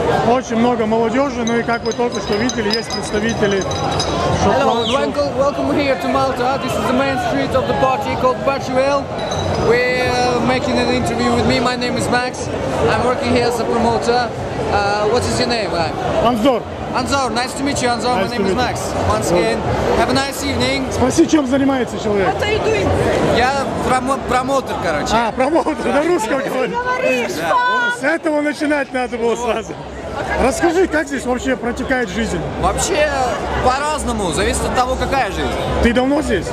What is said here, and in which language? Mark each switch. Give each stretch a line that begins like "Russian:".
Russian: Очень много молодежи, ну и как вы только что видели, есть представители.
English: Hello, welcome here to Malta. This is the main street of the party called Batuel. We're making an interview with me. My name is Max. I'm working here as a promoter. What is your name? Anzor. Anzor, nice to meet you, Anzor. Nice, my name is Max. Once again, have a nice evening.
Russian: Спроси, чем занимается человек.
English: What are you doing?
Russian: Я промотер, короче. А, промотер, на русском говорю. Говоришь, с этого начинать надо было сразу. Расскажи, как здесь вообще протекает жизнь? Вообще, по-разному, зависит от того, какая жизнь. Ты давно здесь?